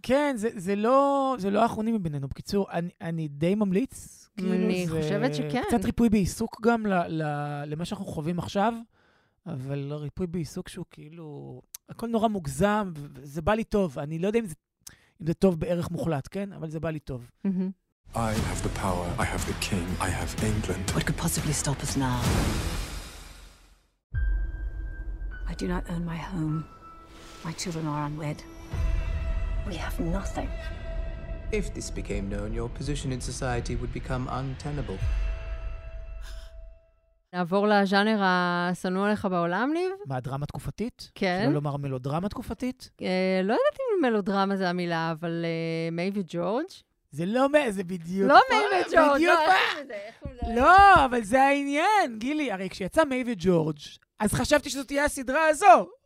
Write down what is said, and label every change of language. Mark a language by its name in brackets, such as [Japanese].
[Hebrew] כן, זה לא האחרונים מבינינו. בקיצור, אני די ממליץ. אני חושבת שכן. קצת ריפוי בעיסוק גם למה שאנחנו חווים עכשיו, אבל ריפוי בעיסוק שהוא כאילו... הכל נורא מוגזם, זה בא לי טוב. אני לא יודע אם זה טוב בערך מוחלט, כן? אבל זה בא לי טוב. [English] I have the power, I have the king, I have England. What could possibly stop us now? I do not own my home. My children are unwed. We have nothing. If this became known, your position in society would become untenable. [Hebrew] נעבור לז'אנר השנוא עליך בעולם, ניב. מה, דרמה תקופתית? כן. שלא לומר מלודרמה תקופתית? לא יודעת אם מלודרמה זה המילה, אבל מיי וג'ורג'. זה לא מה, זה בדיוק. לא מיי וג'ורג', לא, איך זה? לא, אבל זה העניין, גילי. הרי כשיצא מיי וג'ורג', אז חשבתי שזאת תהיה הסדרה הזו,